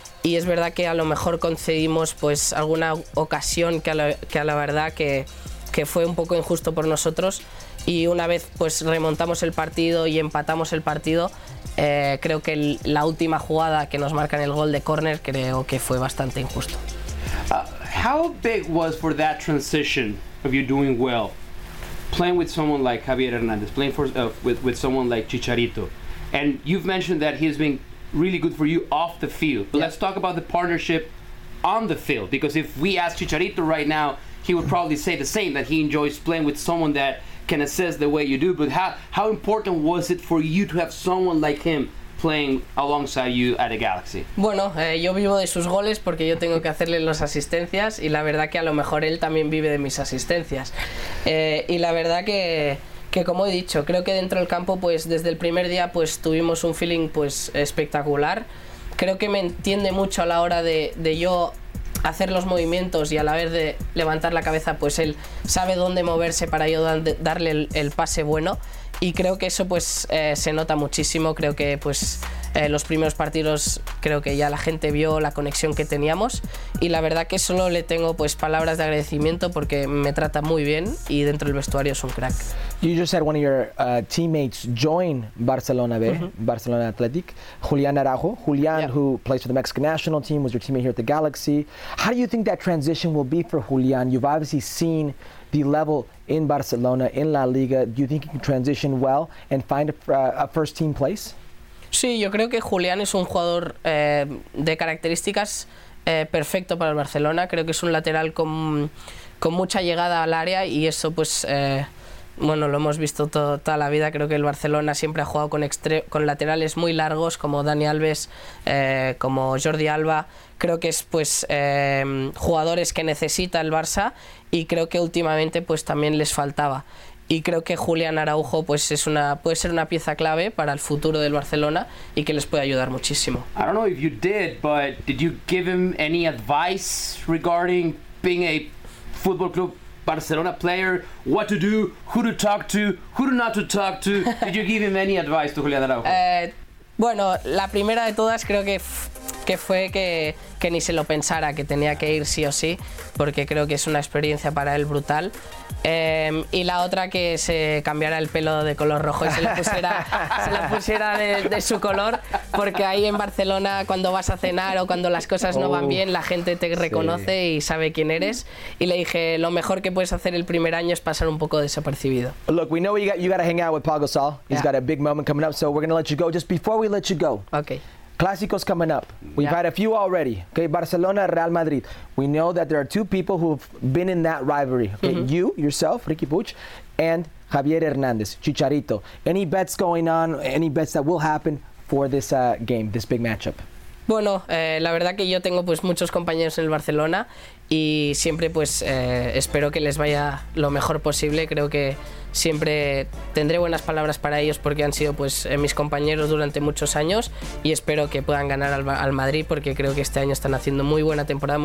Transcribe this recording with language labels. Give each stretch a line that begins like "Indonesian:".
Spanish: Y es verdad que a lo mejor concedimos pues alguna ocasión que fue un poco injusto por nosotros. Y una vez pues remontamos el partido y empatamos el partido, creo que la última jugada que nos marcan el gol de córner, creo que fue bastante injusto.
English: How big was for that transition of you doing well, playing with someone like Javier Hernández, playing for with someone like Chicharito, and you've mentioned that he's been really good for you off the field. But yeah, let's talk about the partnership on the field, because if we ask Chicharito right now, he would probably say the same, that he enjoys playing with someone that can assist the way you do. But how important was it for you to have someone like him playing alongside you at a Galaxy?
Spanish: Bueno, yo vivo de sus goles porque yo tengo que hacerle las asistencias, y la verdad que a lo mejor él también vive de mis asistencias. Y la verdad que como he dicho, creo que dentro del campo pues desde el primer día pues tuvimos un feeling pues espectacular. Creo que me entiende mucho a la hora de yo hacer los movimientos, y a la vez de levantar la cabeza pues él sabe dónde moverse para yo darle el pase bueno. Y creo que eso pues se nota muchísimo. Creo que pues los primeros partidos creo que ya la gente vio la conexión que teníamos, y la verdad que solo le tengo pues palabras de agradecimiento porque me trata muy bien y dentro del vestuario es un crack.
English: You just had one of your teammates join Barcelona B, Barcelona Athletic, Julián Araujo. Julián, yeah, who plays for the Mexican national team, was your teammate here at the Galaxy. How do you think that transition will be for Julián? You've obviously seen the level in Barcelona, in La Liga. Do you think he can transition well and find a first team place?
Spanish: Sí, yo creo que Julián es un jugador de características perfecto para el Barcelona. Creo que es un lateral con mucha llegada al área, y eso pues bueno, lo hemos visto toda la vida. Creo que el Barcelona siempre ha jugado con laterales muy largos, como Dani Alves, como Jordi Alba. Creo que es pues jugadores que necesita el Barça, y creo que últimamente pues también les faltaba. Y creo que Julián Araujo pues puede ser una pieza clave para el futuro del Barcelona y que les puede ayudar muchísimo.
English: I don't know if you did, but did you give him any advice regarding being a football club Barcelona player, what to do, who to talk to, who not to talk to? Did you give him any advice to Julián Araujo?
Spanish: Bueno, la primera de todas creo que fue que ni se lo pensara, que tenía que ir sí o sí, porque creo que es una experiencia para él brutal. Y la otra, que se cambiara el pelo de color rojo y se lo pusiera de su color, porque ahí en Barcelona cuando vas a cenar o cuando las cosas no van bien, la gente te reconoce, sí, y sabe quién eres. Y le dije, lo mejor que puedes hacer el primer año es pasar un poco desapercibido.
English: Look, we know you got to hang out with Pau Gasol. He's, yeah, got a big moment coming up, so we're going to let you go. Just before we let you go. Okay. Clásicos coming up. We've, yeah, had a few already. Okay, Barcelona, Real Madrid. We know that there are two people who've been in that rivalry. Okay, mm-hmm. You, yourself, Ricky Puig, and Javier Hernández, Chicharito. Any bets going on, any bets that will happen for this game, this big matchup?
Spanish: Bueno, la verdad que yo tengo pues muchos compañeros en el Barcelona, y siempre pues espero que les vaya lo mejor posible. Creo que siempre tendré buenas palabras para ellos porque han sido pues mis compañeros durante muchos años, y espero que puedan ganar al Madrid, porque creo que este año están haciendo muy buena temporada.